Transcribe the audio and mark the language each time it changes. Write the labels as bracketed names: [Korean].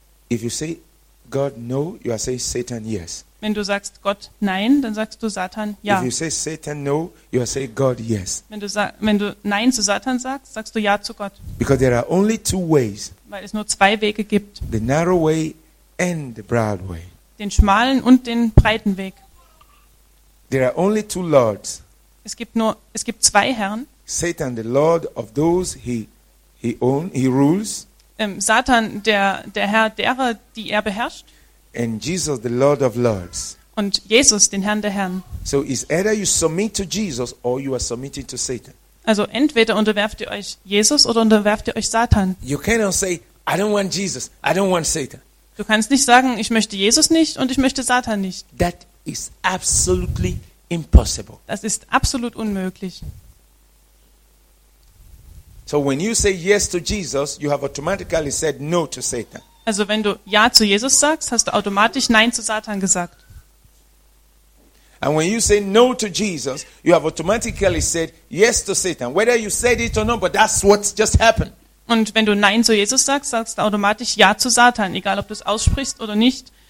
[English] If you say God no, you are saying Satan yes. [German] Wenn du sagst Gott nein, dann sagst du Satan ja. [English] If you say Satan no, you are saying God yes. [German] Wenn du nein zu Satan sagst, sagst du ja zu Gott. [English] Because there are only two ways. [German] Weil es nur zwei Wege gibt. [English] The narrow way and the broad way. [German] Den schmalen und den breiten Weg. [English] There are only two lords. [German] Es gibt zwei Herren. [English] Satan, the Lord of those he rules. [German] Satan, der Herr derer, die er beherrscht. [English] And Jesus, the Lord of lords. [German] Und Jesus, den Herrn der Herren. [English] So it's either you submit to Jesus or you are submitting to Satan. [German] Also entweder unterwerft ihr euch Jesus oder unterwerft ihr euch Satan. [English] You cannot say I don't want Jesus, I don't want Satan. [German] Du kannst nicht sagen, ich möchte Jesus nicht und ich möchte Satan nicht. [English] That is absolutely impossible. [German] Das ist absolut unmöglich. [English] So when you say yes to Jesus, you have automatically said no to Satan. [German] Also wenn du ja zu Jesus sagst, hast du automatisch nein zu Satan gesagt. [English] And when you say no to Jesus, you have automatically said yes to Satan. Whether you said it or not, but that's what just happened. [German] Und wenn du nein zu Jesus sagst, sagst du automatisch ja zu Satan, egal ob du es aussprichst oder nicht.